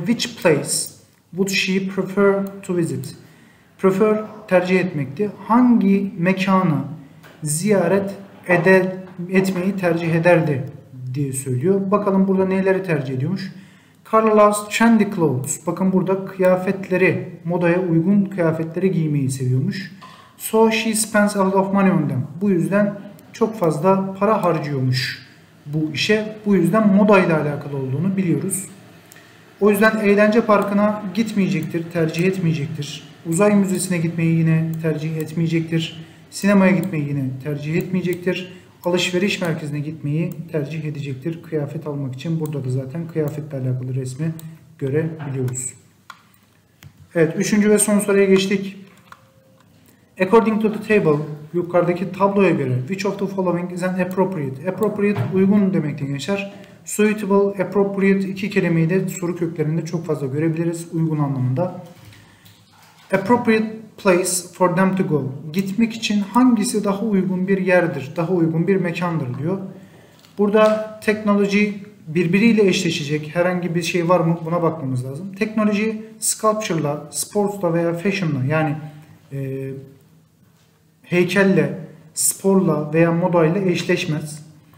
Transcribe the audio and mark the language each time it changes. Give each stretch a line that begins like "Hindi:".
English: Which place would she prefer to visit? Prefer
Turkish: tercih etmekti. Hangi mekanı ziyaret etmeyi tercih ederdi diye söylüyor. Bakalım burada neleri tercih ediyormuş? Carlos
English: trendy clothes.
Turkish: Bakın burada kıyafetleri, modaya uygun kıyafetleri giymeyi seviyormuş.
English: So she spends a lot of money on them.
Turkish: Bu yüzden çok fazla para harcıyormuş bu işe. Bu yüzden modayla alakalı olduğunu biliyoruz. O yüzden eğlence parkına gitmeyecektir, tercih etmeyecektir. Uzay müzesine gitmeyi yine tercih etmeyecektir. Sinemaya gitmeyi yine tercih etmeyecektir. Alışveriş merkezine gitmeyi tercih edecektir. Kıyafet almak için burada da zaten kıyafetle alakalı resmi görebiliyoruz. Evet, üçüncü ve son soruya geçtik.
English: According to the table,
Turkish: yukarıdaki tabloya göre,
English: which of the following is an appropriate?
Turkish: Appropriate, uygun demekti gençler. Suitable, appropriate iki kelimeyi de soru köklerinde çok fazla görebiliriz uygun anlamında.
English: Appropriate place for them to go.
Turkish: Gitmek için hangisi daha uygun bir yerdir, daha uygun bir mekandır diyor. Burada teknoloji birbiriyle eşleşecek herhangi bir şey var mı buna bakmamız lazım. Teknoloji sculpture'la, sports'la veya fashion'la yani heykelle, sporla veya modayla eşleşmez.